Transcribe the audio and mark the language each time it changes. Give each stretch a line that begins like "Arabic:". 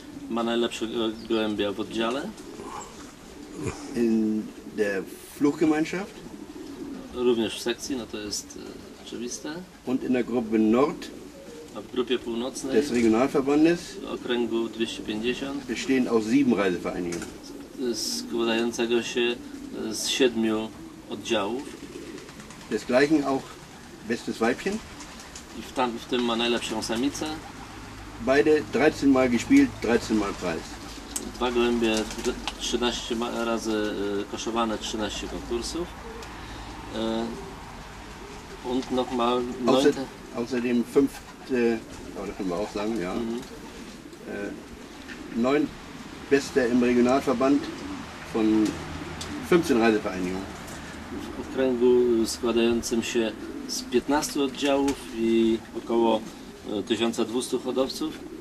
Polish: Ma najlepsze gołębia w oddziale.
German: In der Fluggemeinschaft.
Polish: Również w sekcji, no to jest oczywiste.
German: Und in der Gruppe Nord.
Polish: A w grupie północnej.
German: Des Regionalverbandes.
Polish: Okręgu 250.
German: Bestehen aus 7 Reisevereinigungen.
Polish: Składającego się z 7 oddziałów.
German: Desgleichen auch bestes Weibchen.
Polish: I w tym ma najlepszą samicę.
German: Beide 13 mal gespielt, 13 mal Preis.
Polish: Dwa gołębie 13 razy koszowane, 13 konkursów.
German: Und nochmal 9. Außerdem 5. Aber das können wir auch sagen, ja. 9. Beste im Regionalverband von 15 Reisevereinigungen.
Polish: W okręgu składającym się z 15 oddziałów i około 1200 hodowców.